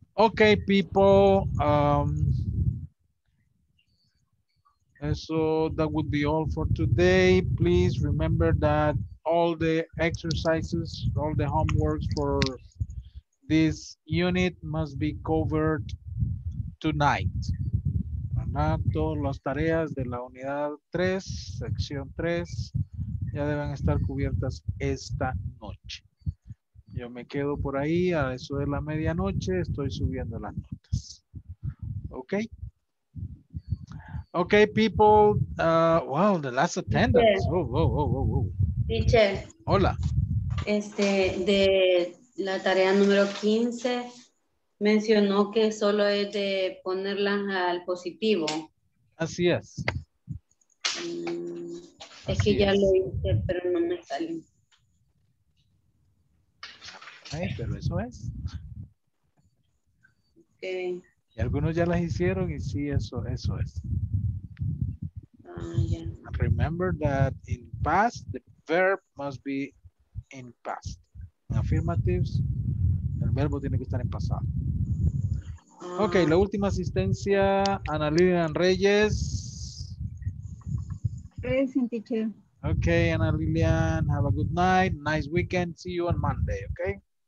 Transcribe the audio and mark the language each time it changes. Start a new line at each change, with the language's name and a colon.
English: Okay, people, and so that would be all for today. Please remember that all the exercises, all the homeworks for this unit must be covered tonight.
Spanish: Todas las tareas de la unidad 3, sección 3, ya deben estar cubiertas esta noche. Yo me quedo por ahí, a eso de la medianoche, estoy subiendo las notas.
English: Okay. Okay, people. Wow, the last attendance. Oh. Teacher.
Spanish: Hola. Este, de la tarea número 15, mencionó que solo es de ponerlas al positivo. Así es. Es que ya lo hice, pero no me salió. Pero eso es.
English: Okay.
Spanish: Y algunos ya las hicieron y sí, eso es.
English: Yeah. Remember that in past, the verb must be in past. In affirmatives,
Spanish: el verbo tiene que estar en pasado. Ok, la última asistencia, Ana Lilian Reyes.
English: Present teacher. Ok, Ana Lilian, have a good night, nice weekend, see you on Monday, ok?